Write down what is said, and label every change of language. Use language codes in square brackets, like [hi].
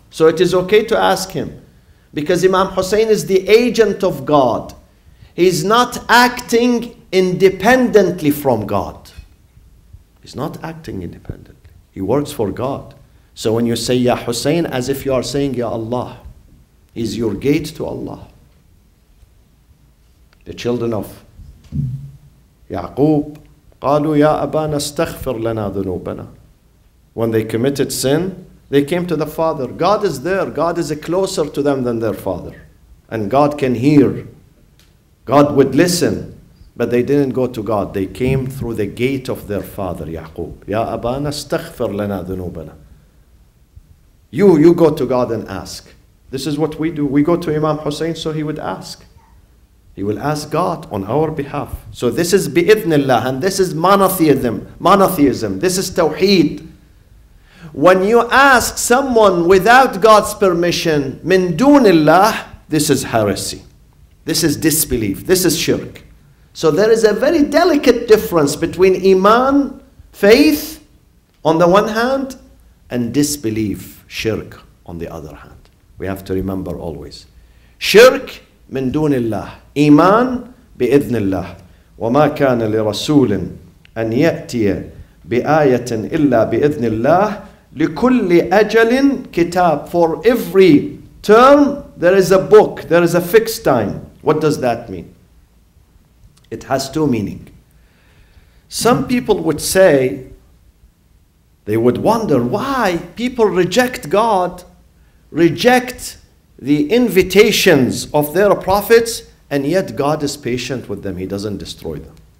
[en] So it is okay to ask him. Because Imam Hussein is the agent of God. He's not acting independently from God. He's not acting independently. He works for God. So when you say Ya Hussein, as if you are saying Ya Allah, is your gate to Allah. [ar] The children of Yaqub, قالوا يا أبانا استغفر لنا ذنوبنا. [en] When they committed sin, they came to the father. God is there. God is closer to them than their father. And God can hear. God would listen. But they didn't go to God. They came through the gate of their father, Yaqub. [ar] Ya أبانا استغفر لنا ذنوبنا. [en] You go to God and ask. This is what we do. We go to Imam Hussein so he would ask. He will ask God on our behalf. So this is bi'idhnillah and this is monotheism. This is tawheed. When you ask someone without God's permission, min dun Allah, this is heresy. This is disbelief. This is shirk. So there is a very delicate difference between iman, faith, on the one hand, and disbelief, shirk, on the other hand. We have to remember always. Shirk, min dun Allah. [ar] Iman, بإذن الله وما كان لرسول أن يأتي بآية إلا بإذن الله لكل أجل كتاب. [en] For every term there is a book, there is a fixed time. What does that mean? It has two meanings. Some people would say, they would wonder why people reject God, reject the invitations of their prophets, and yet God is patient with them. He doesn't destroy them.